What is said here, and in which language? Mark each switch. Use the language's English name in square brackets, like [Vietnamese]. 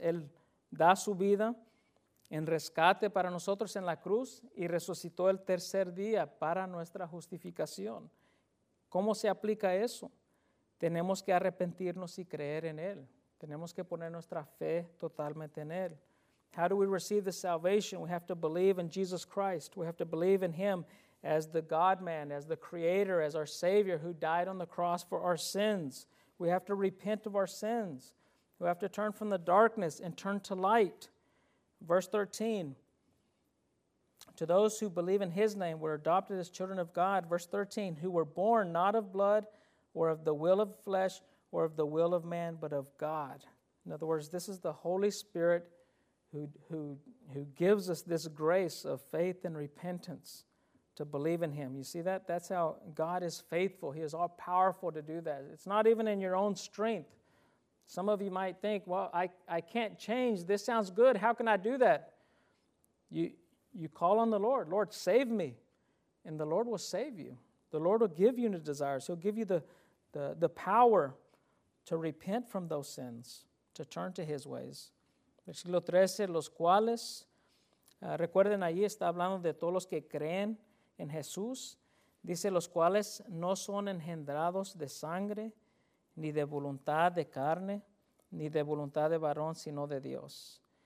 [Spanish] Él da su vida en rescate para nosotros en la cruz y resucitó el tercer día para nuestra justificación. ¿Cómo se aplica eso? Tenemos que arrepentirnos y creer en Él. Tenemos que poner nuestra fe totalmente en Él. [English] How do we receive the salvation? We have to believe in Jesus Christ. We have to believe in Him as the God-man, as the Creator, as our Savior who died on the cross for our sins. We have to repent of our sins. We have to turn from the darkness and turn to light. Verse 13, to those who believe in His name were adopted as children of God. Verse 13, who were born not of blood or of the will of flesh or of the will of man, but of God. In other words, this is the Holy Spirit who gives us this grace of faith and repentance to believe in Him. You see that? That's how God is faithful. He is all powerful to do that. It's not even in your own strength. Some of you might think, well, I can't change. This sounds good. How can I do that? You call on the Lord. Lord, save me. And the Lord will save you. The Lord will give you the desires. He'll give you the power to repent from those sins, to turn to His ways. [Spanish] Versículo 13, los cuales, recuerden, ahí está hablando de todos los que creen en Jesús. Dice, los cuales no son engendrados de sangre, ni de voluntad de carne, ni de voluntad de varón, sino de Dios.